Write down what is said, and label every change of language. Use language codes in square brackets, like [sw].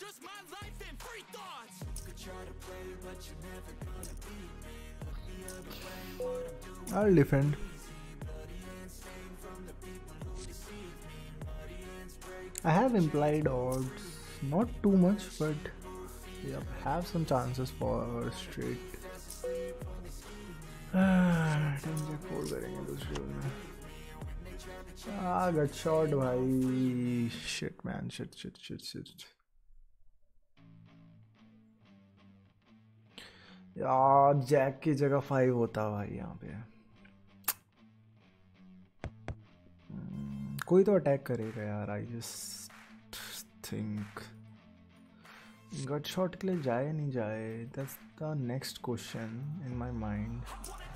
[en] Just my life and free thoughts. You could try to play, but you're never gonna beat me. Look the other way. What I'm doing. I'll defend. I have implied odds, not too much, but yep, have some chances for straight. [hi] Danger four करेंगे दूसरे round में. [en] Ah, got shot, bhai. Shit, man. Shit. [hi] यार jack की जगह 5 होता भाई यहाँ पे. कोई तो attack करेगा यार. [en] I just think gut shot [hi] ke liye jaye nahi jaye, [en] that's the next question in my mind.